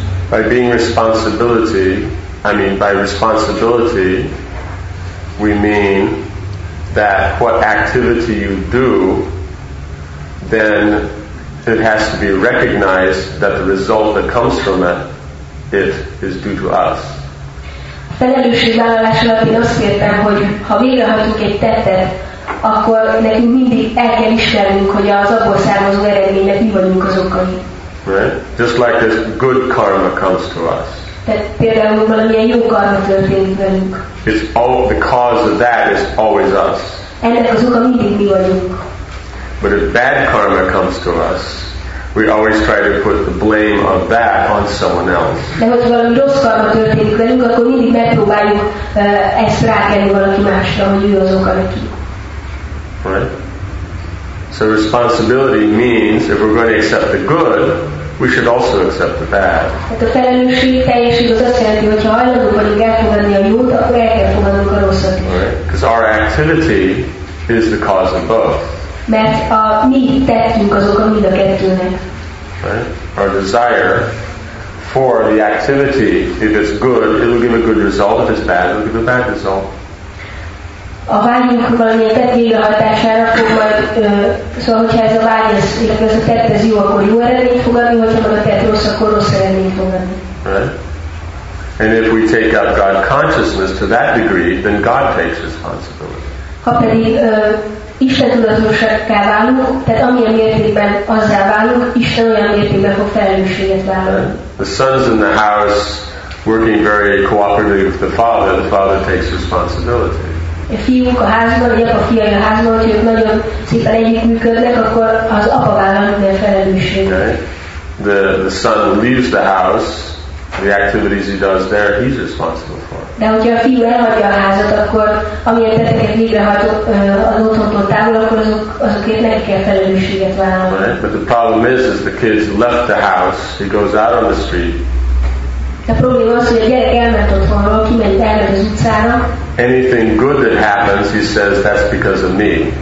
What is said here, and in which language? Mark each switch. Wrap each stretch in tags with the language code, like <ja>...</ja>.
<en>By being responsibility, I mean by responsibility, we mean that what activity you do, then it has to be recognized that the result that comes from it, it is due to us.</en> <hu>Felelősségvállalás alatt én azt értem, hogy ha végrehajtunk egy tettet, akkor nekünk mindig el kell ismernünk, hogy az abból származó eredménynek mi vagyunk az okai.</hu> <en>Right? Just like this good karma comes to us.</en> <hu>Tehát például valamilyen jó karma történik velünk.</hu> <en>It's all the cause of that is always us.</en> <hu>Ennek az oka mindig mi vagyunk.</hu> <en>But if bad karma comes to us, we always try to put the blame of that on someone else.</en> <hu>De ha valami rossz karma történik velünk, akkor mindig megpróbáljuk ezt rákenni valaki másra, hogy ő az oka neki.</hu> <en>Right? So responsibility means if we're going to accept the good, we should also accept the bad.</en> <hu>Hát a felelősség teljesség az azt jelenti, hogyha hajlandók vagyunk elfogadni a jót, akkor el kell fogadnunk a rosszat.</hu> <en>Because our activity is the cause of both.</en> <hu>Mert a mi tettünk az oka mind a kettőnek.</hu> <en>Right? Our desire for the activity, if it's good, it will give a good result. If it's bad, it will give a bad result.</en> <hu>A vágyunk valamilyen tett végrehajtására fog majd, szóval hogyha ez a vágy, illetve ez a tett, ez jó, akkor jó eredményt fog adni, hogyha meg a tett rossz, akkor rossz eredményt fog adni.</hu> <en>Right? And if we take up God consciousness to that degree, then God takes responsibility.</en> <hu>Ha pedig Isten tudatosságká válunk, tehát amilyen mértékben azzá válunk, Isten olyan mértékben fog felelősséget vállalni.</hu> <en>The sons in the house working very cooperatively with the father takes responsibility.</en> <hu>A fiúk a házban, vagy apa fiai a házban, hogy ők nagyon szépen együttműködnek, akkor az apa vállal minden felelősséget.</hu> <en>Okay. The son leaves the house, the activities he does there, he's responsible for.</en> <hu>De hogyha a fiú elhagyja a házat, akkor amilyen teteket végrehajtott az otthontól távol, akkor azokért meg kell felelősséget vállalni.</hu> <en>Okay. But the problem is the kid's left the house, he goes out on the street.</en> <hu>De a probléma az, hogy a gyerek elment otthonról, kiment elment az utcára.</hu> <en>Anything good that happens, he says, that's because of me.</en>